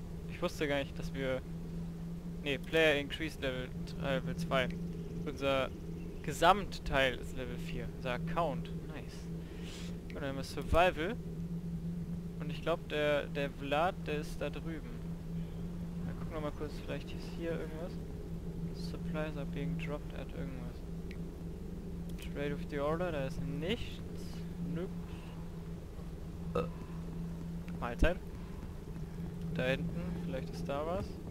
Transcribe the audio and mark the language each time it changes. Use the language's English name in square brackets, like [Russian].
[German] Ich wusste gar nicht, dass wir... Ne, [English] Player Increased Level 3, Level 2. [German] Unser Gesamtteil ist Level 4. Unser Account. Nice. Und dann haben wir Survival. Und ich glaube, der Vlad, der ist da drüben. Dann gucken wir mal kurz, vielleicht ist hier irgendwas. [English] Supplies are being dropped at [German] irgendwas. Trade of the Order, da ist nichts. Nix. Mahlzeit. Da hinten, vielleicht ist da was.